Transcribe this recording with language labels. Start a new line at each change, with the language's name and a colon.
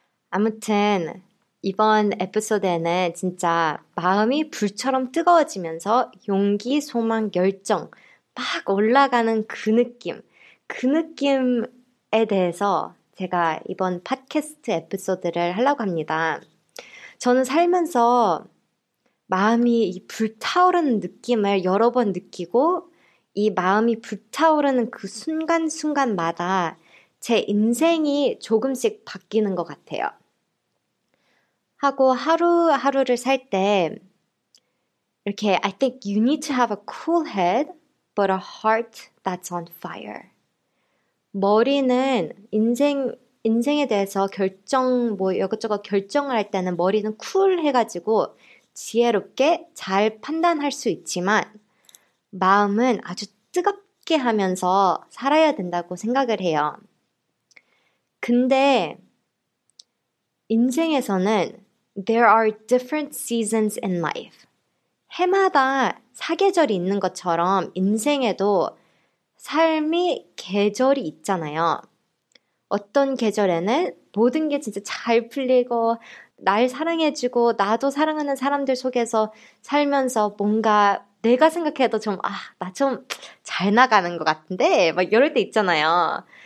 Korean: 아무튼 이번 에피소드에는 진짜 마음이 불처럼 뜨거워지면서 용기, 소망, 열정 막 올라가는 그 느낌 그 느낌에 대해서 제가 이번 팟캐스트 에피소드를 하려고 합니다. 저는 살면서 마음이 이 불타오르는 느낌을 여러 번 느끼고 이 마음이 불타오르는 그 순간순간마다 제 인생이 조금씩 바뀌는 것 같아요. 하고 하루하루를 살 때 이렇게
English: I think you need to have a cool head but a heart that's on fire.
Korean: 머리는 인생에 대해서 결정 뭐 이것저것 결정을 할 때는 머리는 쿨해가지고 지혜롭게 잘 판단할 수 있지만 마음은 아주 뜨겁게 하면서 살아야 된다고 생각을 해요. 근데 인생에서는
English: there are different seasons in life.
Korean: 해마다 사계절이 있는 것처럼 인생에도 삶이 계절이 있잖아요. 어떤 계절에는 모든 게 진짜 잘 풀리고 날 사랑해주고 나도 사랑하는 사람들 속에서 살면서 뭔가 내가 생각해도 좀 나 좀 잘 나가는 것 같은데 막 이럴 때 있잖아요.